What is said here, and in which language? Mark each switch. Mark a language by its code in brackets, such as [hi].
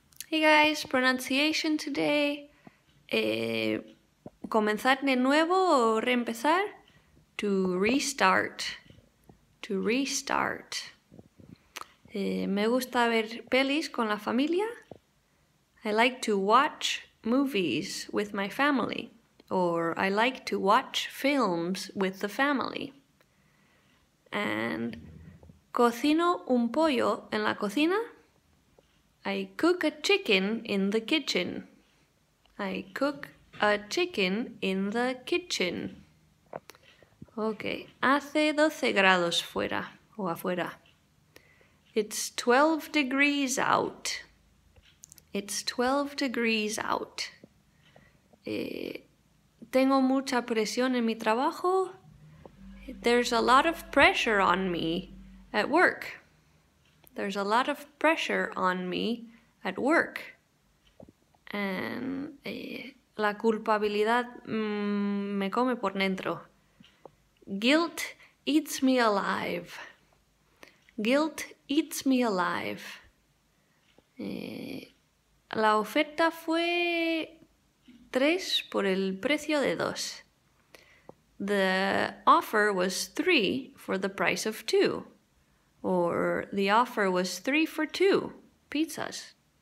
[en] Hey guys, pronunciation today. [es] Comenzar de nuevo o reempezar? To restart. To restart. Me gusta ver pelis con la familia. [en] I like to watch movies with my family. Or I like to watch films with the family. [es] And cocino un pollo en la cocina. [en] I cook a chicken in the kitchen. I cook a chicken in the kitchen. [es] Okay, hace 12 grados fuera o afuera. [en] It's 12 degrees out. It's 12 degrees out. [es] Tengo mucha presión en mi trabajo. [en] There's a lot of pressure on me at work. There's a lot of pressure on me at work. [es] And la culpabilidad me come por dentro. [en] Guilt eats me alive. Guilt eats me alive. [es] La oferta fue 3 por el precio de 2. [en] The offer was 3 for the price of 2. Or the offer was 3 for 2 pizzas.